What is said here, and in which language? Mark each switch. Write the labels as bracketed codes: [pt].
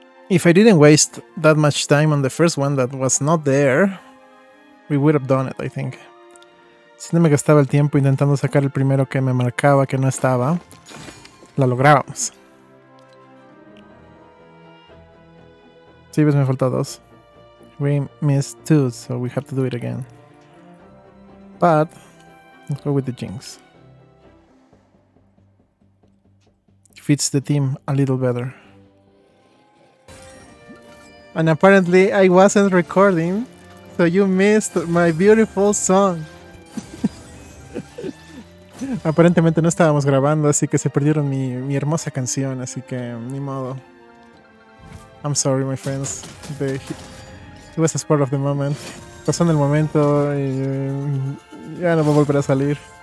[en] If I didn't waste that much time on the first one that was not there, we would have done it, I think. [es] Si no me gastaba el tiempo intentando sacar el primero que me marcaba que no estaba, la lográbamos. Sí, pues me faltan dos. [en] We missed two, so we have to do it again. But, let's go with the jinx. Fits the team a little better. And apparently I wasn't recording, so you missed my beautiful song. [es] Aparentemente no estábamos grabando, así que se perdieron mi hermosa canción, así que ni modo. [en] I'm sorry, my friends. It was a spur of the moment. [es] Pasó en el momento y ya no va a volver a salir.